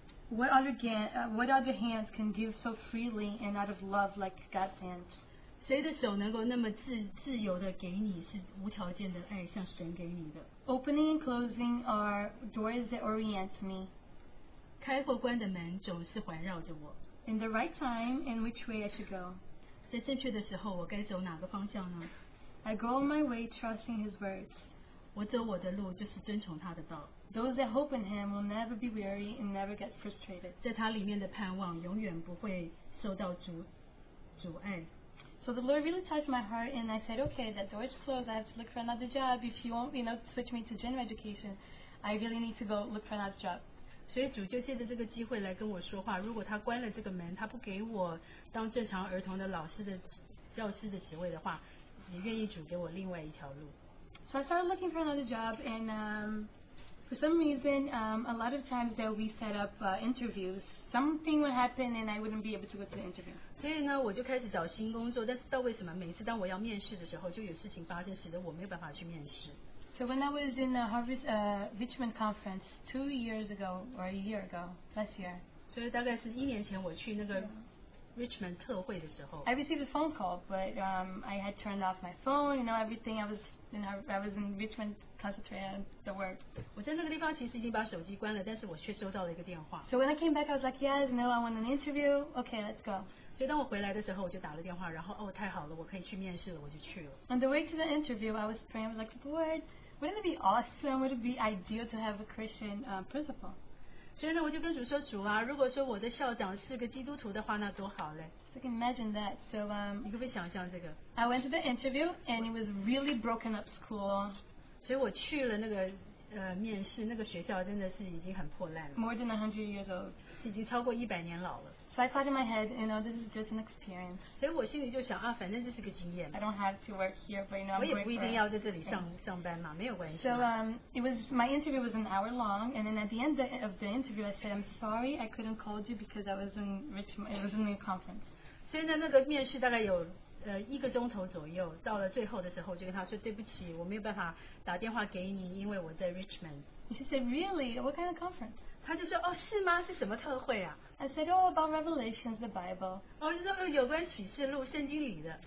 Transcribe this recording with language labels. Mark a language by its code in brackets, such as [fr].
[en] What other hands can give so freely and out of love like God's hands? [zh] 谁的手能够那么 自由的给你是无条件的爱像神给你的。 [en] Opening and closing are doors that orient me. [zh] 开或关的门总是环绕着我。 [en] In the right time, in which way I should go. [zh] 在正确的时候我该走哪个方向呢？ [en] I go on my way trusting his words. [zh] 我走我的路就是遵从他的道。 [en] Those that hope in him will never be weary and never get frustrated. [zh] 在他里面的盼望永远不会受到阻碍。 [en] So the Lord really touched my heart and I said, okay, that door is closed. I have to look for another job. If you won't, you know, switch me to general education, I really need to go look for another job. [zh] 所以主就借着这个机会来跟我说话，如果他关了这个门，他不给我当正常儿童的老师的教师的职位的话，也愿意主给我另外一条路。 [en] So I started looking for another job and for some reason, a lot of times that we set up interviews, something would happen and I wouldn't be able to go to the interview. [zh] 所以呢，我就开始找新工作。但是到为什么每次当我要面试的时候，就有事情发生，使得我没有办法去面试。 [en] So when I was in a Harvest Richmond conference 2 years ago or a year ago, last year. [zh] 所以大概是一年前我去那个 Richmond 特会的时候。 [en] I received a phone call, but I had turned off my phone. You know everything. I was in Richmond concentrating on the work. [zh] 我在那个地方其实已经把手机关了，但是我却收到了一个电话。 [en] So when I came back, I was like, yes, no, I want an interview. Okay, let's go. [zh] 所以当我回来的时候，我就打了电话，然后哦，太好了，我可以去面试了，我就去了。 [en] On the way to the interview, I was praying. I was like, Lord, wouldn't it be awesome? Would it be ideal to have a Christian principal? [zh] 所以呢，我就跟主说，主啊，如果说我的校长是个基督徒的话，那多好嘞。 [en] So can imagine that. So, [zh] 你可不可以想象这个？ [en] I went to the interview and it was really broken up school. [zh] 所以我去了那个面试，那个学校真的是已经很破烂了。 [en] More than 100 years old. [zh] 已经超过100年老了。 [en] So I thought in my head, you know, this is just an experience. [zh] 所以我心里就想啊，反正这是个经验。 [en] I don't have to work here, but you know, [zh] 我也不一定要在这里上班嘛，没有关系。 [en] So it was my interview was an hour long, and then at the end of the interview, I said, I'm sorry, I couldn't call you because I was in Richmond. It was in a conference. [zh] 所以呢，那个面试大概有一个钟头左右，到了最后的时候，就跟他说对不起，我没有办法打电话给你，因为我在 Richmond. [en] She said, really? What kind of conference? [zh] 他就说哦，是吗？是什么特会啊？ [en] I said, oh, about Revelations, the Bible. [zh] 哦，就说有关启示录，圣经里的。